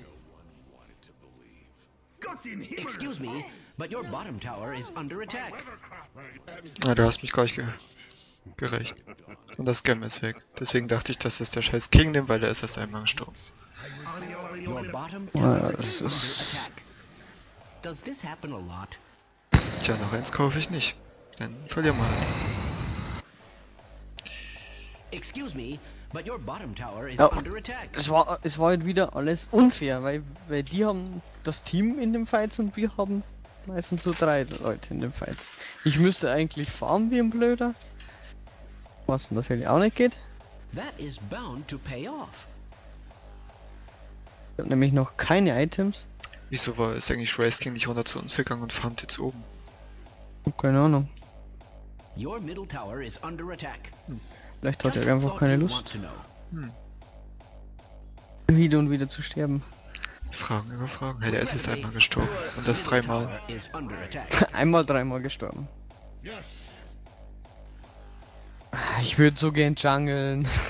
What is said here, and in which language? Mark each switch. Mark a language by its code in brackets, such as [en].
[en] No one wanted to believe. Got in here. Excuse me, but your bottom tower is under attack. [de] Na, du hast mich gleich gerecht. Und das Game ist weg. Deswegen dachte ich, dass das der scheiß King nimmt, weil er ist erst einmal gestorben. [en] Your bottom tower is under attack. Does this happen a lot? [de] Tja, noch eins kaufe ich nicht. Dann verlieren wir halt. [en] Excuse me, but your bottom tower is under attack. [de] Es war halt wieder alles unfair, weil die haben das Team in den Fights und wir haben meistens so drei Leute in den Fights. Ich müsste eigentlich farmen wie ein Blöder. Was denn das hätte auch nicht geht. [en] That is bound to pay off. [de] Ich hab nämlich noch keine Items. Wieso war es eigentlich Race King nicht runter zu uns gegangen und farmt jetzt oben? Keine Ahnung. [en] Your middle tower is under attack. [de] Vielleicht hat er einfach keine Lust. Wieder und wieder zu sterben. Fragen über Fragen. Hey, der ist jetzt einmal gestorben. Und das dreimal. Einmal dreimal gestorben. Ich würde so gern jungeln.